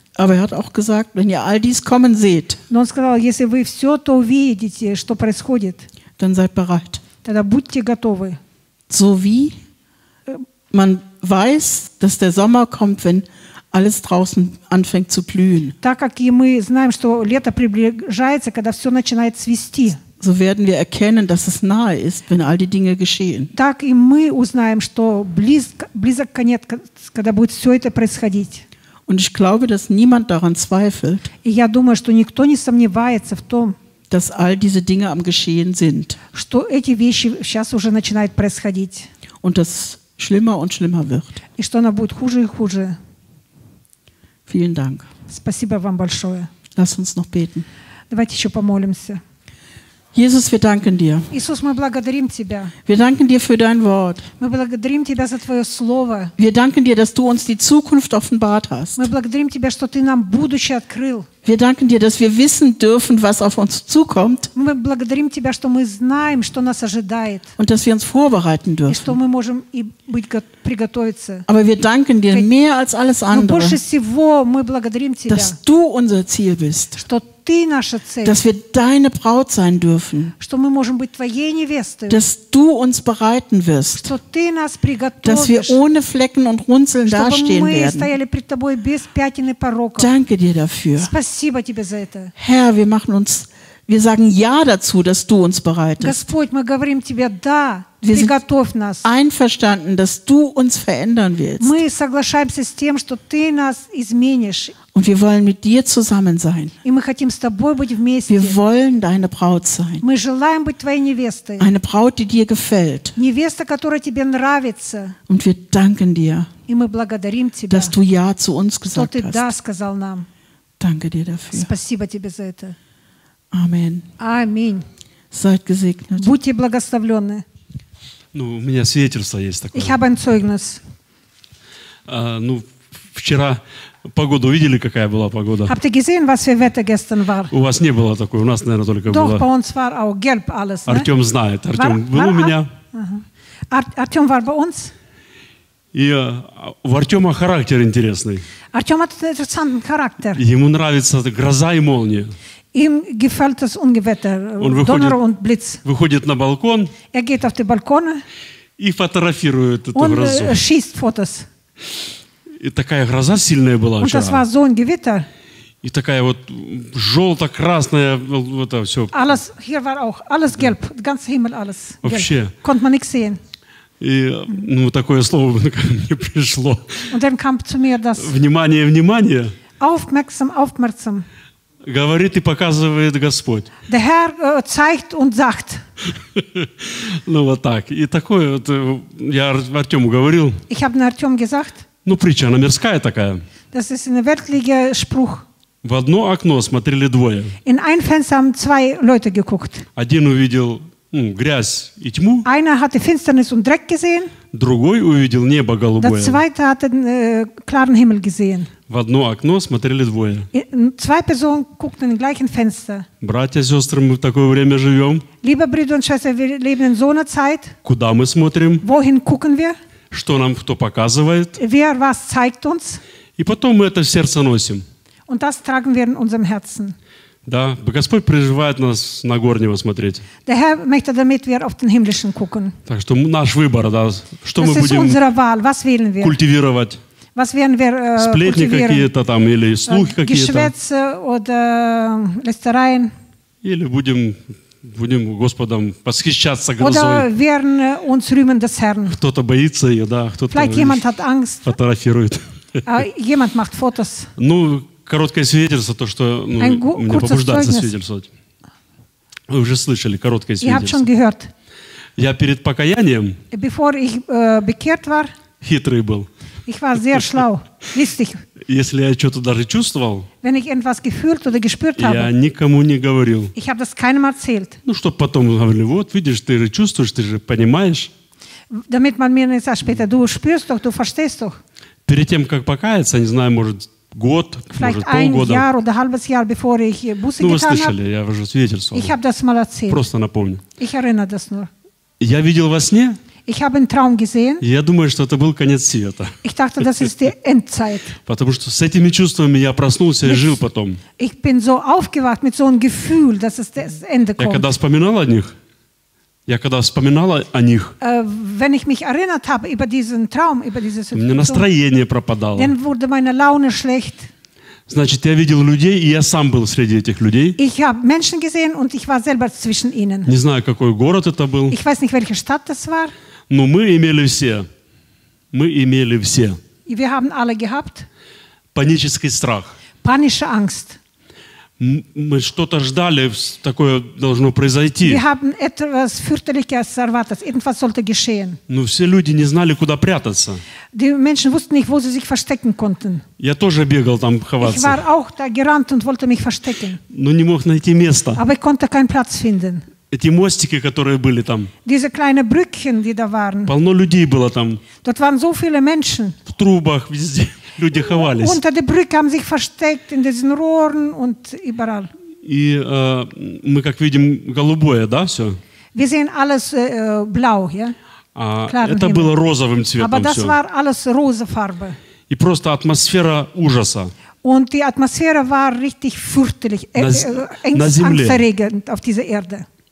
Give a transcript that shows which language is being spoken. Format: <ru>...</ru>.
<de>Aber er hat auch gesagt, wenn ihr all dies kommen seht,</de> <ru>но он сказал, если вы все то увидите, что происходит,</ru> <de>dann seid bereit.</de> <ru>Тогда будьте готовы.</ru> <de>So wie man weiß, dass der Sommer kommt, wenn alles draußen anfängt zu blühen.</de> <ru>Так как и мы знаем, что лето приближается, когда все начинает цвести.</ru> <de>So werden wir erkennen, dass es nahe ist, wenn all die Dinge geschehen.</de> <ru>Так и мы узнаем, что близок конец, когда будет все это происходить.</ru> <de>Und ich glaube, dass niemand daran zweifelt.</de> <ru>И я думаю, что никто не сомневается в том,</ru> <de>dass all diese Dinge am Geschehen sind.</de> <ru>Что эти вещи сейчас уже начинают происходить.</ru> <de>Und dass schlimmer und schlimmer wird.</de> <ru>И что она будет хуже и хуже.</ru> <de>Vielen Dank.</de> <ru>Спасибо вам большое.</ru> <de>Lass uns noch beten.</de> <ru>Давайте еще помолимся.</ru> <de>Jesus, wir danken dir.</de> <ru>Иисус, мы благодарим тебя.</ru> <de>Wir danken dir für dein Wort.</de> <ru>Мы благодарим тебя за твое слово.</ru> <de>Wir danken dir, dass du uns die Zukunft offenbart hast.</de> <ru>Мы благодарим тебя, что ты нам будущее открыл.</ru> <de>Wir danken dir, dass wir wissen dürfen, was auf uns zukommt.</de> <ru>Мы благодарим тебя, что мы знаем, что нас ожидает.</ru> <de>Und dass wir uns vorbereiten dürfen.</de> <ru>И что мы можем приготовиться.</ru> <de>Aber wir danken dir mehr als alles andere.</de> <ru>Но больше всего мы благодарим тебя,</ru> <de>dass du unser Ziel bist.</de> <ru>Что ты наша цель.</ru> <de>Dass wir deine Braut sein dürfen.</de> <ru>Что мы можем быть твоей невестой.</ru> <de>Dass du uns bereiten wirst.</de> <ru>Что ты нас приготовишь.</ru> <de>Dass wir ohne Flecken und Runzeln dastehen werden.</de> <ru>Чтобы мы стояли пред тобой без пятен и пороков.</ru> <de>Danke dir dafür.</de> <ru>Спасибо тебе за это.</ru> <de>Herr, wir machen uns, wir sagen ja dazu, dass du uns bereitest.</de> <ru>Господь, мы говорим тебе да.</ru> <de>Wir sind einverstanden, dass du uns verändern willst.</de> <ru>Мы соглашаемся с тем, что ты нас изменишь.</ru> <de>Und wir wollen mit dir zusammen sein.</de> <ru>И мы хотим с тобой быть вместе.</ru> <de>Wir wollen deine Braut sein.</de> <ru>Мы желаем быть твоей невестой.</ru> <de>Eine Braut, die dir gefällt.</de> <ru>Невеста, которая тебе нравится.</ru> <de>Und wir danken dir.</de> <ru>И мы благодарим тебя.</ru> <de>Dass du ja zu uns gesagt hast.</de> <ru>Что ты да сказал нам.</ru> <de>Danke dir dafür.</de> <ru>Спасибо тебе за это.</ru> <de>Amen.</de> <ru>Amen.</ru> <de>Seid gesegnet.</de> <ru>Будьте благословлены. Ну, у меня свидетельство есть такое.</ru> <de>Ich habe ein Zeugnis.</de> <ru>Ну, вчера погоду видели, какая была погода?</ru> <de>Habt ihr gesehen, was für Wetter gestern war?</de> <ru>У вас не было такой, у нас, наверное, только</ru> <de>doch,</de> <ru>было.</ru> <de>Doch, bei uns war auch gelb alles.</de> <ru>Артем</ru> <de>ne?</de> <ru>Знает. Артем</ru> <de>war,</de> <ru>был у меня.</ru> <de>Артем war bei uns?</de> <ru>И у Артема характер интересный.</ru> <de>Артем hat einen interessanten Charakter.</de> <ru>Ему нравится гроза и молния.</ru> <de>Ihm gefällt das Ungewetter, Donner und Blitz.</de> <ru>Выходит на балкон.</ru> <de>Er geht auf die Balkone.</de> <ru>И фотографирует эту грозу. Он</ru> <de>schießt Fotos.</de> <ru>И такая гроза сильная была вчера.</ru> <de>Und das war so ein Gewitter.</de> <ru>И такая вот желто-красная, вот это все.</ru> <de>Alles, hier war auch alles gelb, ja. Ganzer Himmel alles gelb.</de> <ru>Вообще.</ru> <de>Konnte man nichts sehen.</de> <ru>И, ну, такое слово мне пришло.</ru> <de>Und dann kam zu mir das.</de> <ru>Внимание, внимание.</ru> <de>Aufmerksam, aufmerksam.</de> <ru>Говорит и показывает Господь.</ru> <de>Der Herr zeigt und sagt.</de> <ru>Ну вот так. И такое вот я Артему говорил.</ru> <de>Ich habe nur Artem gesagt.</de> <ru>Ну притча, она мирская такая.</ru> <de>Das ist ein weltlicher Spruch.</de> <ru>В одно окно смотрели двое.</ru> <de>In ein Fenster haben zwei Leute geguckt.</de> <ru>Один увидел грязь и тьму.</ru> <de>Einer hatte Finsternis und Dreck gesehen.</de> <ru>Другой увидел небо голубое.</ru> <de>Der zweite hatte klaren Himmel gesehen.</de> <ru>В одно окно смотрели двое.</ru> <de>Zwei Personen guckten in den gleichen Fenster.</de> <ru>Братья, сестры, мы в такое время живем.</ru> <de>Liebe Brüder und Schwestern, wir leben in so einer Zeit.</de> <ru>Куда мы смотрим?</ru> <de>Wohin gucken wir?</de> <ru>Что нам кто показывает?</ru> <de>Wer was zeigt uns?</de> <ru>И потом мы это в сердце носим.</ru> <de>Und das tragen wir in unserem Herzen.</de> <ru>Да, Господь призывает нас на горнего смотреть.</ru> <de>Der Herr möchte damit wir auf den himmlischen gucken.</de> <ru>Так что наш выбор, да, что</ru> <de>das</de> <ru>мы будем</ru> <de>Wahl. Was wählen wir?</de> <ru>Культивировать.</ru> <de>Was werden wir</de> <ru>сплетни какие-то там или слухи какие-то.</ru> <de>Geschwätze oder Lästereien.</de> <ru>Или будем Господом восхищаться грозой.</ru> <de>Oder werden uns rühmen des Herrn.</de> <ru>Кто-то боится ее, да. Кто-то</ru> <de>vielleicht jemand hat Angst.</de> <ru>Фотографирует.</ru> <de>Jemand macht Fotos.</de> <ru>Ну, короткое свидетельство, то, что мне побуждается свидетельствовать. Вы уже слышали короткое свидетельство.</ru> <de>Ihr habt schon gehört.</de> <ru>Я перед покаянием</ru> <en>Before</en> <de>ich, bekehrt war,</de> <ru>хитрый был.</ru> <de>Ich war sehr schlau, listig.</de> <ru>Если я что-то даже чувствовал,</ru> <de>wenn ich etwas gefühlt oder gespürt habe,</de> <ru>я никому не говорил.</ru> <de>Ich habe das keinem erzählt.</de> <ru>Ну, чтобы потом говорили, вот, видишь, ты же чувствуешь, ты же понимаешь.</ru> <de>Damit man mir nicht sagt später, du spürst doch, du verstehst doch.</de> <ru>Перед тем, как покаяться, не знаю, может, год,</ru> <de>vielleicht</de> <ru>может, полгода.</ru> <de>Jahr oder halbes Jahr, bevor ich Buße</de> <ru>ну, вы слышали, я уже свидетельствовал.</ru> <de>Ich habe das mal erzählt.</de> <ru>Просто напомню.</ru> <de>Ich erinnere das nur.</de> <ru>Я видел во сне,</ru> <de>Ich habe einen Traum gesehen.</de> <ru>Я думаю, что это был конец света.</ru> <de>Ich dachte, das ist die Endzeit.</de> <ru>Потому что с этими чувствами я проснулся и жил потом.</ru> <de>Ich bin so aufgewacht mit so einem Gefühl, dass es das Ende kommt.</de> <ru>Я когда вспоминал о них.</ru> <de>Wenn ich mich erinnert habe über diesen Traum, über diese Situation.</de> <ru>У меня настроение пропадало.</ru> <de>Dann wurde meine Laune schlecht.</de> <ru>Значит, я видел людей, и я сам был среди этих людей.</ru> <de>Ich habe Menschen gesehen und ich war selber zwischen ihnen.</de> <ru>Не знаю, какой город это был.</ru> <de>Ich weiß nicht, welche Stadt das war.</de> <ru>Но мы имели все. И</ru> <de>wir haben alle gehabt.</de> <ru>Панический страх.</ru> <de>Panische Angst.</de> <ru>Мы что-то ждали, такое должно произойти.</ru> <de>Wir haben etwas Fürchterliches erwartet. Irgendwas sollte geschehen.</de> <ru>Но все люди не знали, куда прятаться.</ru> <de>Die Menschen wussten nicht, wo sie sich verstecken konnten.</de> <ru>Я тоже бегал там ховаться.</ru> <de>Ich war auch da gerannt und wollte mich verstecken.</de> <ru>Но не мог найти места.</ru> <de>Aber ich konnte keinen Platz finden.</de> <ru>Эти мостики, которые были там.</ru> <de>Diese kleinen Brückchen, die da waren.</de> <ru>Полно людей было там.</ru> <de>Dort waren so viele Menschen.</de> <ru>В трубах везде. Люди ховались.</ru> <de>Unter der Brücke haben sich versteckt in diesen Rohren und überall.</de> <ru>И мы как видим голубое, да, все?</ru> <de>Wir sehen alles blau, ja? Klar,</de> <ru>это было розовым цветом.</ru> <de>Aber das</de> <ru>все.</ru> <de>War alles rosa Farbe.</de> <ru>И просто атмосфера ужаса.</ru> <de>Und die Atmosphäre war richtig fürchterlich, angsterregend auf dieser Erde.</de>